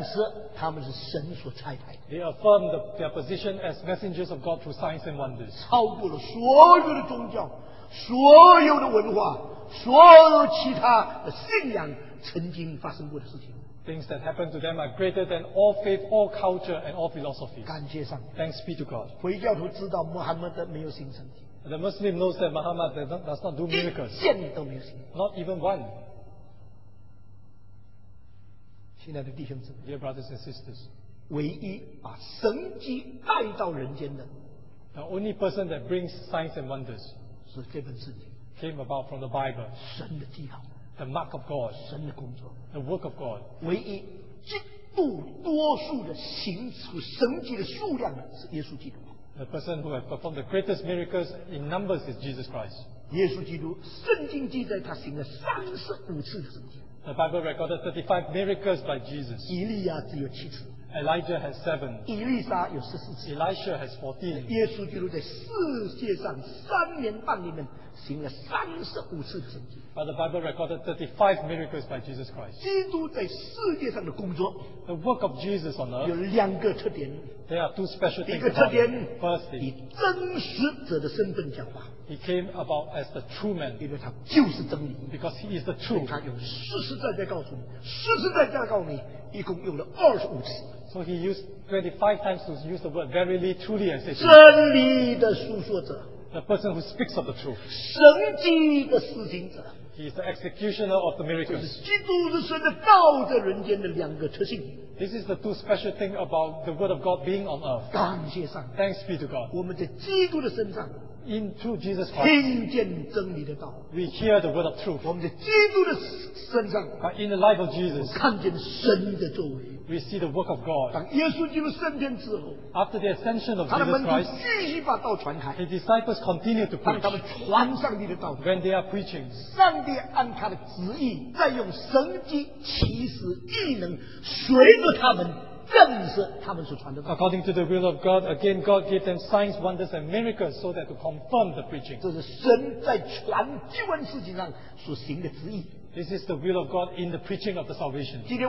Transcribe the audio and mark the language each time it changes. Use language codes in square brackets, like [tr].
[zh] 他们应用了神迹奇事的作为来证实他们是神所差派。 [en] They affirmed their position as messengers of God through signs and wonders. [zh] 超过了所有的宗教、所有的文化、所有其他的信仰曾经发生过的事情。 [en] Things that happen to them are greater than all faith, all culture, and all philosophy. [zh] 感谢上帝, [en] thanks be to God. [zh] 回教徒知道穆罕默德没有行神迹, [en] the Muslim knows that Muhammad does not do miracles. [zh] 一件都没有行, [en] not even one. [zh] 亲爱的弟兄姊妹, [en] dear brothers and sisters, [zh] 唯一把神迹带到人间的, [en] the only person that brings signs and wonders, [zh] 是这本圣经, [en] came about from the Bible. [zh] 神的记号, [en] the mark of God, [zh] 神的工作, [en] the work of God. [zh] 唯一极度多数的行出神迹的数量是耶稣基督。 [en] The person who has performed the greatest miracles in numbers is Jesus Christ. [zh] 耶稣基督圣经记载他行了35次的神迹。 [en] The Bible recorded 35 miracles by Jesus. [zh] 以利亚只有7次。 [en] Elijah has 7. [zh] Elisha 有14次. [en] Elisha has 14. [zh] 耶稣基督在世界上三年半里面行了35次的神迹. [en] But the Bible recorded 35 miracles by Jesus Christ. [zh] 基督在世界上的工作, [en] the work of Jesus on earth [zh] 有两个特点. [en] There are two special things. [zh] 第一个特点, [en] firstly, [zh] 以真实者的身份讲话. [en] He came about as the true man. [zh] 因为他就是真理. [en] Because he is the truth. [zh] 他用实实在在告诉你, 实实在在告诉你, 一共用了25次. [en] So he used 25 times to use the word verily, truly, and say, [zh] 真理的述说者, [en] the person who speaks of the truth. [zh] 神迹的施行者, [en] he is the executioner of the miracles. [zh] 就是基督之神的道在人间的两个特性. [en] This is the two special things about the word of God being on earth. [zh] 感谢上, [en] thanks be to God. [zh] 我们在基督的身上, [en] in through Jesus Christ, we hear the word of truth. [zh] 我们在基督的身上, [en] but in the life of Jesus, [zh] 我看见神的作为, [en] we see the work of God. [zh] 当耶稣基督升天之后, [en] after the ascension of Jesus Christ, his disciples continue to preach. When they are preaching, [zh] 上帝按他的旨意, 再用神迹奇事异能随着他们, [en] according to the will of God, again God gave them signs, wonders, and miracles so that to confirm the preaching. This is the will of God in the preaching of the salvation.